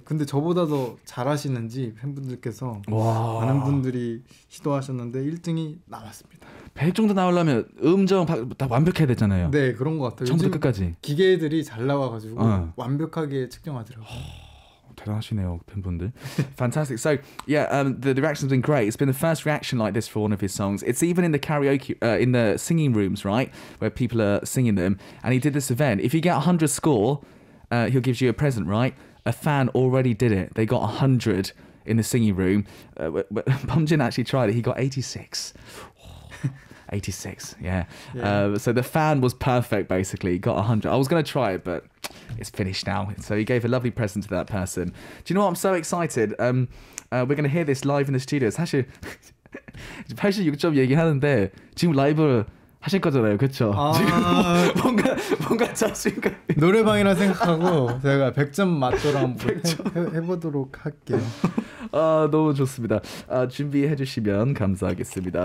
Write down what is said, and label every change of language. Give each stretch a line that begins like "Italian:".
Korean: 근데 저보다 더 잘하시는지 팬분들께서 많은 분들이 시도하셨는데 1등이 나왔습니다. 100 정도 나오려면 음정 다 완벽해야 되잖아요. 네. 그런 것 같아요. 처음부터 끝까지. 기계들이 잘 나와가지고 완벽하게 측정하더라고요. 대단하시네요, 팬분들.
English: Fantastic. So, yeah, the reaction's been great. It's been the first reaction like this for one of his songs. It's even in the karaoke, in the singing rooms, right? Where people are singing them. And he did this event. If you get 100 score, he'll give you a present, right? A fan already did it. They got 100 in the singing room. Bumjin actually tried it. He got 86. 86, yeah. So the fan was perfect, basically. Got 100. I was going to try it, but it's finished now. So he gave a lovely present to that person. Do you know what? I'm so excited. We're going to hear this live in the studio. It's actually...
Korean: 86점 얘기하는데 지금 라이브를 하실 거잖아요, 그렇죠? 아... 지금 뭔가 자신감. 노래방이라 생각하고 제가 100점 맞도록 한번 해보도록 할게요. 아 너무 좋습니다. 아, 준비해주시면 감사하겠습니다.